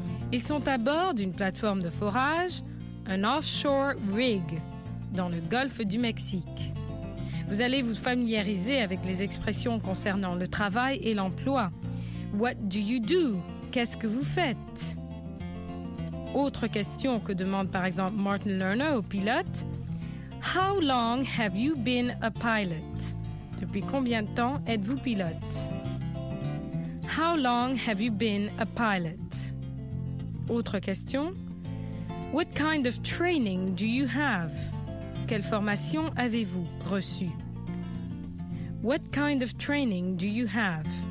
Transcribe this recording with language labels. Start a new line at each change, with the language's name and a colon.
French: Ils sont à bord d'une plateforme de forage, un offshore rig, dans le golfe du Mexique. Vous allez vous familiariser avec les expressions concernant le travail et l'emploi.
English: What do you do?
French: Qu'est-ce que vous faites? Autre question que demande par exemple Martin Lerner au pilote.
English: How long have you been a pilot?
French: Depuis combien de temps êtes-vous pilote?
English: How long have you been a pilot?
French: Autre question.
English: What kind of training do you have?
French: Quelle formation avez-vous reçue?
English: What kind of training do you have?